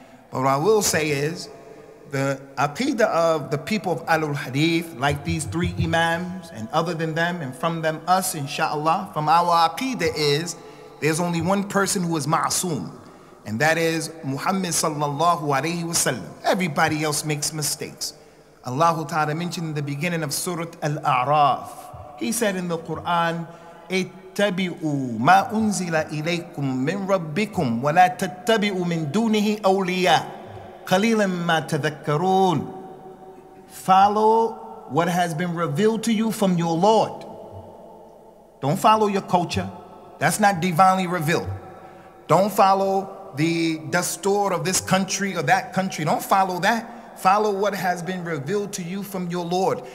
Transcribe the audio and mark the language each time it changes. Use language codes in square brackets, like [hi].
[en] But what I will say is, the aqidah of the people of al-Hadith, like these three imams, and other than them, and from them us, inshallah, from our aqidah is, there's only one person who is ma'asum. And that is Muhammad sallallahu alayhi wa sallam. Everybody else makes mistakes. Allah ta'ala mentioned in the beginning of Surah Al-A'raf. He said in the Quran, [ar] اتبعوا ما أنزل إليكم من ربكم ولا تتبعوا من دونه أولياء قليلا ما تذكرون. [en] Follow what has been revealed to you from your Lord. Don't follow your culture. That's not divinely revealed. Don't follow the dastur of this country or that country. Don't follow that. Follow what has been revealed to you from your Lord.